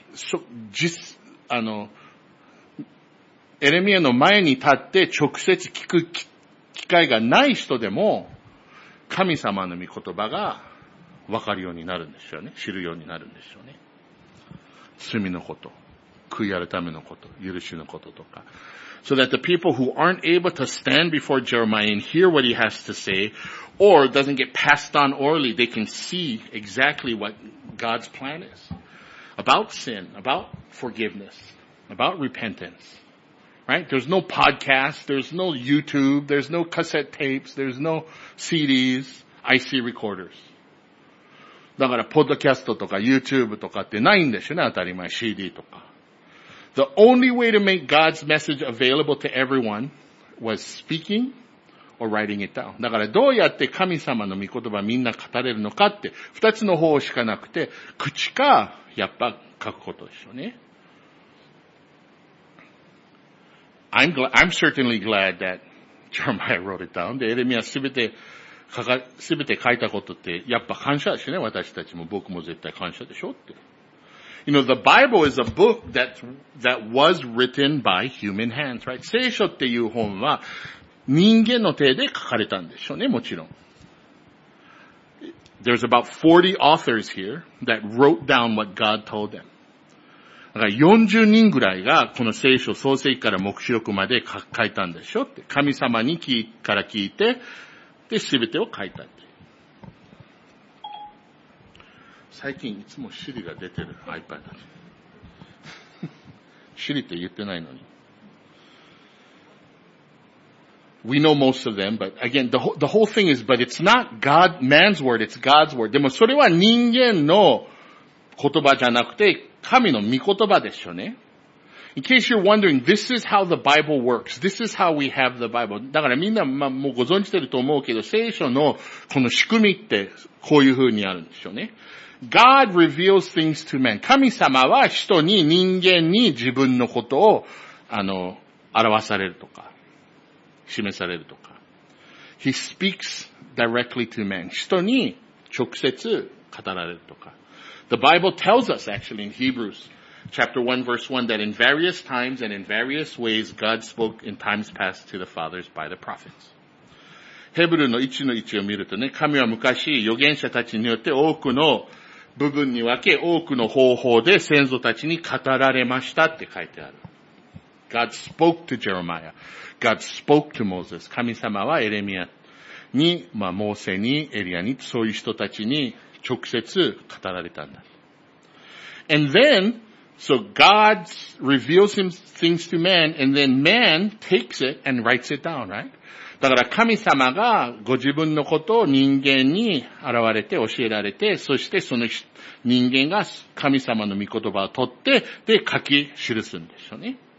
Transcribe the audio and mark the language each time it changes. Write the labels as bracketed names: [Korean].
[Japanese] そ、実、あの、エレミアの前に立って直接聞く機会がない人でも、神様の御言葉が分かるようになるんですよね。知るようになるんですよね。罪のこと、悔い改めのこと、許しのこととか。 [English] So that the people who aren't able to stand before Jeremiah and hear what he has to say, or doesn't get passed on orally, they can see exactly what God's plan is. About sin, about forgiveness, about repentance. Right? There's no podcast, there's no YouTube, there's no cassette tapes, there's no CDs, IC recorders. [Japanese] だから、ポッドキャストとか YouTube とかってないんでしょうね、当たり前、CD とか。 [English] The only way to make God's message available to everyone was speaking or writing it down. [Japanese] だからどうやって神様の御言葉みんな語れるのかって二つの方しかなくて口かやっぱ書くことでしょうね。 [English] I'm certainly glad that Jeremiah wrote it down. [Japanese] で、エレミアすべて書いたことってやっぱ感謝しね。私たちも僕も絶対感謝でしょって。 [English] You know, the Bible is a book that was written by human hands, right? [Japanese] 聖書っていう本は人間の手で書かれたんでしょうね、もちろん。 [English] There's about 40 authors here that wrote down what God told them. [Japanese] だから40人ぐらいがこの聖書創世記から黙示録まで書いたんでしょって。神様に聞から聞いて、で、すべてを書いた。最近いつもシリが出てる iPad に。シリって言ってないのに。 [English] We know most of them, but again, the whole thing is, but it's not God, man's word, it's God's word. [Japanese] でもそれは人間の言葉じゃなくて神の御言葉でしょうね。 [English] In case you're wondering, this is how the Bible works. This is how we have the Bible. [Japanese] だからみんな、まあ、もうご存知てると思うけど、聖書のこの仕組みってこういう風にあるんでしょうね。 [English] God reveals things to men. [Japanese] 神様は人に、人間に自分のことを、表されるとか、示されるとか。 [English] He speaks directly to men. [Japanese] 人に直接語られるとか。 [English] The Bible tells us actually in Hebrews chapter 1 verse 1 that in various times and in various ways God spoke in times past to the fathers by the prophets. [Japanese] ヘブルの1の1を見るとね、神は昔預言者たちによって多くの部分に分け、多くの方法で先祖たちに語られましたって書いてある。 [English] God spoke to Jeremiah. God spoke to Moses. [Japanese] 神様はエレミアに、まあ、モーセに、エリアに、そういう人たちに直接語られたんだ。 [English] And then, so God reveals him things to man, and then man takes it and writes it down, right? [Japanese] だから神様がご自分のことを人間に現れて教えられて、そしてその人間が神様の御言葉を取って、で書き記すんですよね。